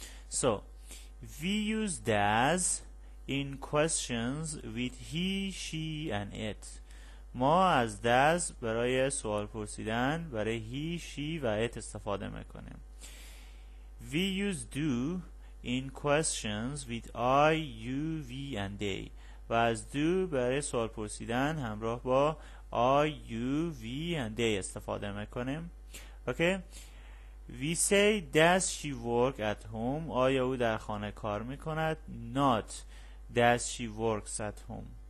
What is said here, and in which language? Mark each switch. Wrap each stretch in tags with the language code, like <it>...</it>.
<en>So, we use does in questions with he, she and it.</en> <fa>ما از does برای سوال پرسیدن برای he, she و it استفاده میکنیم.</fa> <en>We use do in questions with I, you, we and they.</en> <fa>و از do برای سوال پرسیدن همراه با I, you, we and they استفاده میکنیم.</fa> <en>Okay. We say does she work at home?</en> <fa>آیا او در خانه کار میکند؟</fa> <en>Not does she works at home.</en>